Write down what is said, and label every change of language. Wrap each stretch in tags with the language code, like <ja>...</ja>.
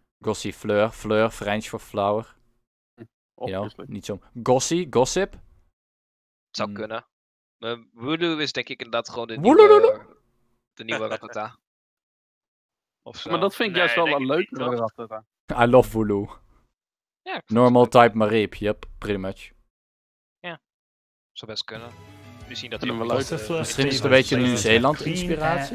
<nl>Gossifleur, fleur, French voor flower. Ja, niet zo. Gossip? Zou kunnen. Wooloo is denk ik inderdaad gewoon de nieuwe Rattata. Maar dat vind ik juist wel een leuke Rattata.</nl> <en>I love Wooloo.</en> <nl>Ja,</nl> <en>normal type Mareep, yep, pretty much.</en> <nl>Ja, zou best kunnen. Misschien dat hij wel leuk is. Misschien is het een beetje een Nieuw-Zeeland inspiratie.</nl>